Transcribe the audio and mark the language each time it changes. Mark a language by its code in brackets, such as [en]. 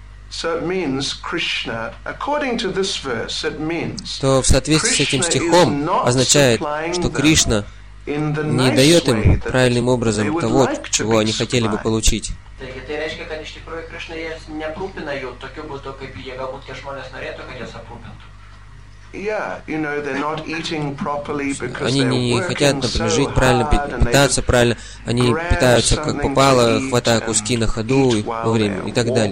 [en] So it means Krishna, according to this verse, it means. [ru] То в соответствии с этим стихом означает, что Кришна не дает им правильным образом того, чего они хотели бы получить. [lt] Taigi tai reiškia, kad iš tikrųjų Krishna jas neprūpina jų tokiu būdu, kaip jie galbūt tie žmonės norėtų, kad jas aprūpintų. [en] Yeah, you know, they're not eating properly because [ru] они не хотят, например, жить правильно, питаться правильно, они питаются как попало, хватая куски на ходу и во время, и так далее.